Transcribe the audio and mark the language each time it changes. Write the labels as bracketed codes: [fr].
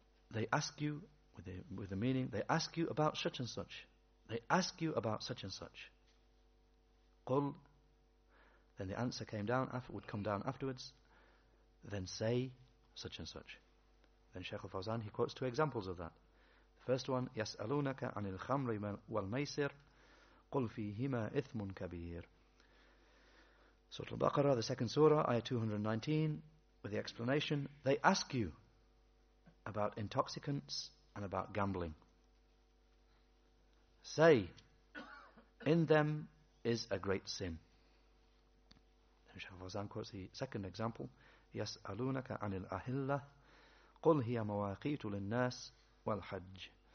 [en] They ask you, with the meaning, they ask you about such and such. They ask you about such and such. Qul. Then the answer came down, would come down afterwards. Then say such and such. Then Shaykh al-Fawzan, he quotes two examples of that. The first one, [ar] يَسْأَلُونَكَ عَنِ الْخَمْرِ وَالْمَيْسِرِ قُلْ فِيهِمَا إِثْمٌ كَبِيرٌ. [en] Surah Al-Baqarah, the second surah, ayah 219, with the explanation, they ask you about intoxicants and about gambling. Say, in them is a great sin. Then Shaykh al-Fawzan quotes the second example, [ar] يَسْأَلُونَكَ عَنِ الْأَهِلَّةِ قُلْ هِيَ مَوَاقِيتُ لِلنَّاسِ وَالْحَجِّ.